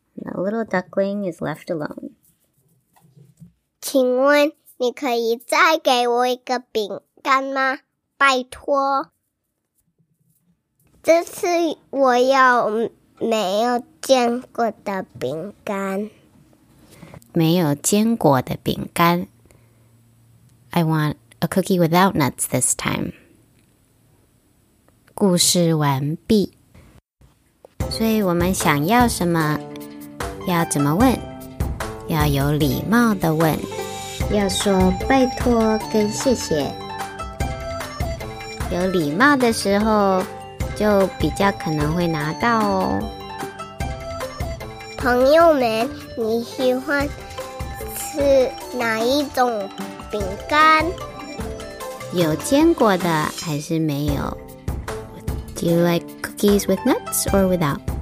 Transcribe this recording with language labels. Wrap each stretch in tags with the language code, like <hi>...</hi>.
<en>The little duckling is left alone.</en> <zh>请问你可以再给我一个饼干吗？拜托。这次我要没有坚果的饼干。没有坚果的饼干。</zh> <en>I want a cookie without nuts this time.</en> <zh>故事完毕。所以我们想要什么？要怎么问？要有礼貌的问，要说拜托跟谢谢。有礼貌的时候，就比较可能会拿到哦。朋友们，你喜欢吃哪一种饼干？有坚果的还是没有？</zh> <en>Do you like cookies with nuts or without?</en>